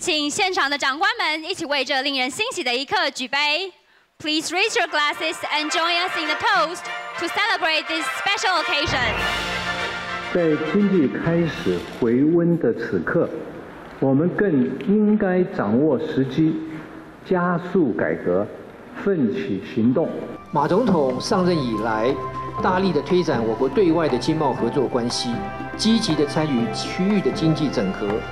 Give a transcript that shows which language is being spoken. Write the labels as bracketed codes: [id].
[zh] 现场的长官们一起为这令人欣喜的一刻举杯。 [en] Please raise your glasses and join us in the toast to celebrate this special occasion. [zh] 在经济开始回温的此刻，我们更应该掌握时机，加速改革，奋起行动。马总统上任以来，大力的推展我国对外的经贸合作关系，积极的参与区域的经济整合。